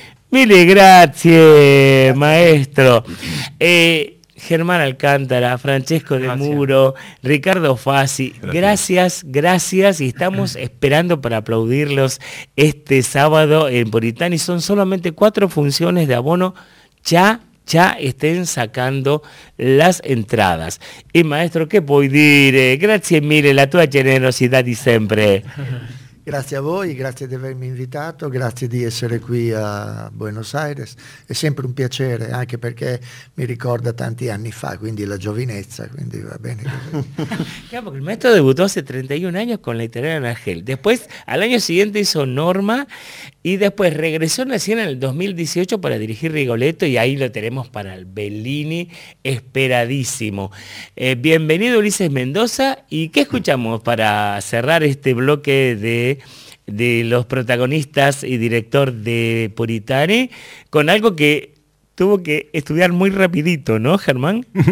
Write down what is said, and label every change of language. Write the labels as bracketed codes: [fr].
[it] Mille grazie, maestro. [es] Germán Alcántara, Francesco De Muro, Ricardo Fassi, gracias, y estamos esperando para aplaudirlos este sábado en Puritani. Son solamente 4 funciones de abono, ya estén sacando las entradas. Y maestro, ¿qué puedo decir? [it] Gracias mille, la tua generosità di sempre. Grazie a voi, grazie di avermi invitato, grazie di essere qui a Buenos Aires. È sempre un piacere, anche perché mi ricorda tanti anni fa, quindi la giovinezza, quindi va bene. Claro, il maestro debuttò hace 31 anni con la Italiana Angel. [es] Después, al año siguiente hizo Norma, y después regresó en la escena en el 2018 para dirigir Rigoletto, y ahí lo tenemos para el Bellini esperadísimo. Bienvenido Ulises Mendoza, ¿y qué escuchamos para cerrar este bloque de los protagonistas y director de Puritani, con algo que tuvo que estudiar muy rapidito, ¿no, Germán?